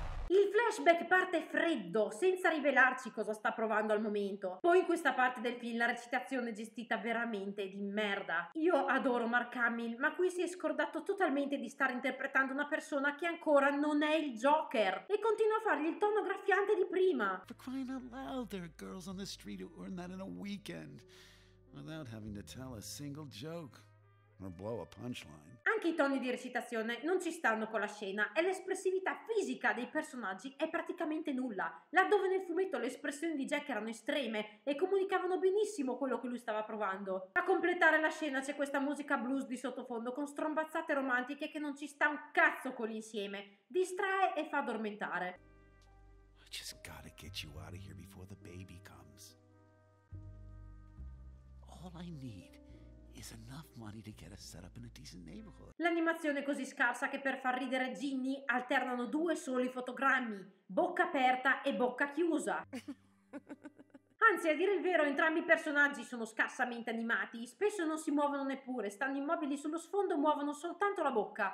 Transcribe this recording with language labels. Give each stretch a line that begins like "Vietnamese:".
Italian: Il flashback parte freddo, senza rivelarci cosa sta provando al momento. Poi in questa parte del film la recitazione è gestita veramente di merda. Io adoro Mark Hamill, ma qui si è scordato totalmente di stare interpretando una persona che ancora non è il Joker e continua a fargli il tono graffiante di prima.
English: For crying out loud, there are girls on the street who earn that in a weekend without having to tell a single joke. Or blow a punchline.
Italian: Anche i toni di recitazione non ci stanno con la scena e l'espressività fisica dei personaggi è praticamente nulla. Laddove nel fumetto le espressioni di Jack erano estreme e comunicavano benissimo quello che lui stava provando. A completare la scena c'è questa musica blues di sottofondo con strombazzate romantiche che non ci sta un cazzo con l'insieme. Distrae e fa addormentare.
English: I just gotta get you out of here before the baby comes. All I need is enough money to get us set up in a decent neighborhood.
Italian: L'animazione è così scarsa che per far ridere Ginny alternano due soli fotogrammi, bocca aperta e bocca chiusa. Anzi, a dire il vero, entrambi i personaggi sono scarsamente animati, spesso non si muovono neppure, stanno immobili sullo sfondo, muovono soltanto la bocca.